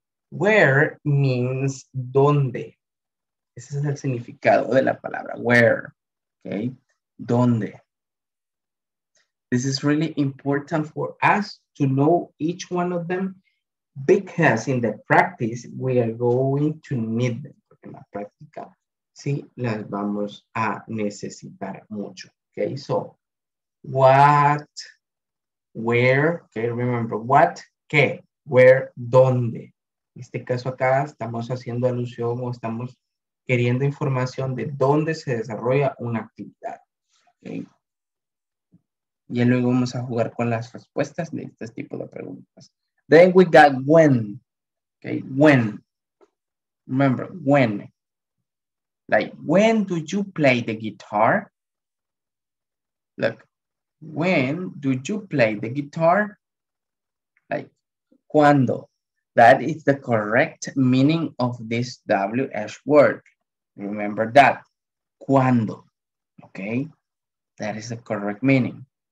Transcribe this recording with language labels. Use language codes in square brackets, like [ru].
[en] Where means [es] dónde. Ese es el significado de la palabra where, okay? ¿Dónde? [en] This is really important for us to know each one of them. Because in the practice, we are going to need them. [es] Porque en la práctica, sí, las vamos a necesitar mucho. [en] Okay, so, what, where, okay, remember, what, qué, where, dónde. [es] En este caso acá, estamos haciendo alusión o estamos queriendo información de dónde se desarrolla una actividad. Okay. Y luego vamos a jugar con las respuestas de este tipo de preguntas. [en] Then we got when, okay, when, remember, when, like, when do you play the guitar? Look, when do you play the guitar? Like, cuando, that is the correct meaning of this WH word, remember that, cuando, okay, that is the correct meaning.